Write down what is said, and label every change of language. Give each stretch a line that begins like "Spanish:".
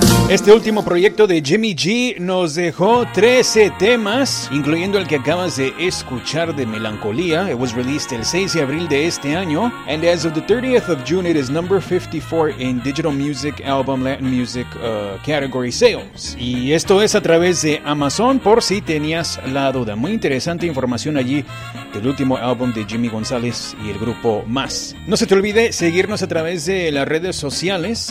Spanish: Este último proyecto de Jimmy G nos dejó 13 temas, incluyendo el que acabas de escuchar de Melancolía.
English: It was released
Spanish: el 6 de abril de este año.
English: And as of the 30th of June, it is number 54 in Digital Music Album Latin Music Category Sales.
Spanish: Y esto es a través de Amazon, por si tenías la duda. Muy interesante información allí del último álbum de Jimmy González y el grupo Más. No se te olvide seguirnos a través de las redes sociales.